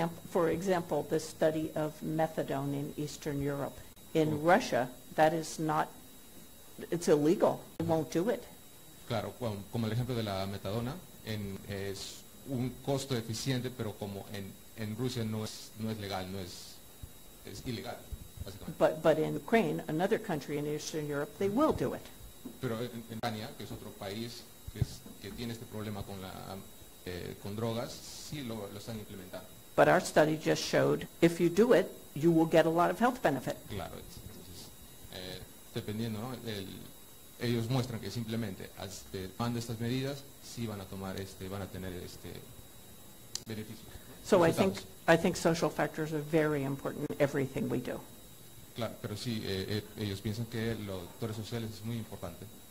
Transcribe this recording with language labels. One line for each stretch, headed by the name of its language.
English: For example, the study of methadone in Eastern Europe. In Russia, that is not, it's illegal. They won't do it.
Spanish: Claro, como el ejemplo de la metadona, es un costo eficiente, pero como en Rusia no es legal, es ilegal, básicamente.
English: But in Ukraine, another country in Eastern Europe, they will do it.
Spanish: Pero en Ucrania, que es otro país que tiene este problema con con drogas, sí lo están implementando.
English: But our study just showed, if you do it, you will get a lot of health benefit.
Spanish: Claro, entonces, dependiendo, ¿no? Ellos muestran que simplemente tomando estas medidas sí van a tomar van a tener beneficios.
English: So I think social factors are very important in everything we do.
Spanish: Claro, pero sí, ellos piensan que los factores sociales es muy importante